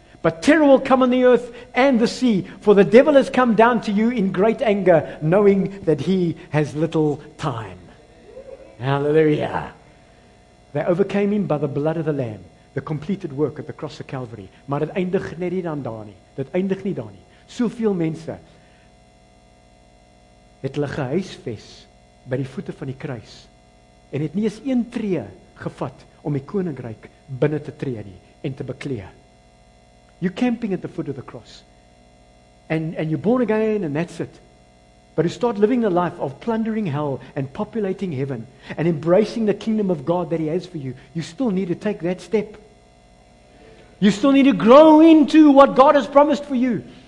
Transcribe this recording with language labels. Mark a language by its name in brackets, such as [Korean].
[English] But terror will come on the earth and the sea, for the devil has come down to you in great anger, knowing that he has little time. Hallelujah. They overcame him by the blood of the Lamb, the completed work at the cross of Calvary. [Afrikaans] Maar het eindig net nie dan daar nie. Dit eindig nie daar nie. Soveel mense het hulle gehuisves by die voete van die kruis en het nie eens een tree gevat om die koninkryk binne te tree nie en te beklee. [English] You're camping at the foot of the cross. And you're born again and that's it. But you start living the life of plundering hell and populating heaven and embracing the kingdom of God that he has for you. You still need to take that step. You still need to grow into what God has promised for you.